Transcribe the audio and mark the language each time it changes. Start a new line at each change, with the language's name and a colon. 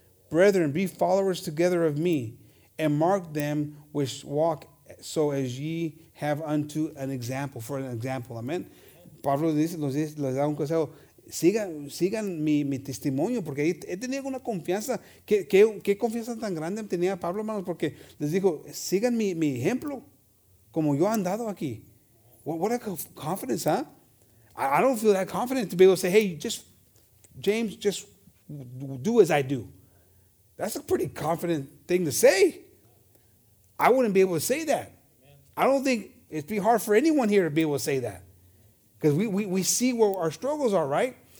English: Brethren, be followers together of me, and mark them which walk so as ye have unto an example. For an example, amen.
Spanish: Pablo les da un consejo, sigan mi testimonio, porque he tenido una confianza. ¿Qué confianza tan grande tenía Pablo, hermanos? Porque les dijo, sigan mi ejemplo, como yo he andado aquí.
English: What a confidence, huh? I don't feel that confident to be able to say, hey, James, do as I do. That's a pretty confident thing to say. I wouldn't be able to say that. I don't think it'd be hard for anyone here to be able to say that. Because we see where our struggles are, right?